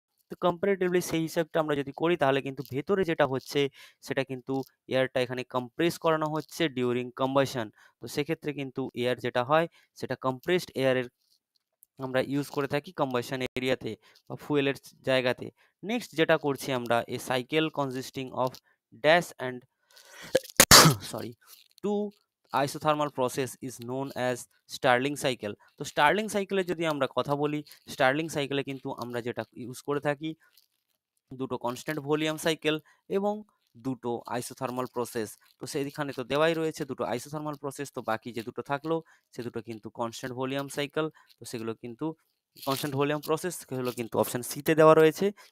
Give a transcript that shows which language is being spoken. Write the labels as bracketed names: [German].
[Bangla] তো কম্পারেটিভলি সেই হিসাবটা আমরা যদি করি তাহলে কিন্তু ভেতরে যেটা হচ্ছে সেটা কিন্তু এয়ারটা এখানে কম্প্রেস করানো হচ্ছে ডিউরিং কম্বাইশন, তো সেক্ষেত্রে কিন্তু এয়ার যেটা হয় সেটা কম্প্রেসড এয়ারের আমরা ইউজ করে থাকি কম্বাইশন এরিয়াতে বা ফুয়েলের জায়গাতে। নেক্সট যেটা করছি আমরা, এ cycle consisting of [English] dash and sorry two isothermal process is known as Stirling cycle. [Bangla] So Stirling cycle যদি আমরা কথা বলি, Stirling cycle কিন্তু আমরা যেটা ইউজ করে থাকি দুটো কনস্ট্যান্ট ভলিউম সাইকেল এবং দুটো আইসোথার্মাল প্রসেস, তো সেইখানে তো দেওয়াই রয়েছে দুটো আইসোথার্মাল প্রসেস, তো বাকি যে দুটো থাকলো সে দুটো কিন্তু কনস্ট্যান্ট ভলিউম সাইকেল, তো সেগুলো কিন্তু কনস্ট্যান্ট ভলিউম প্রসেস হলো কিন্তু অপশন সি তে দেওয়া রয়েছে।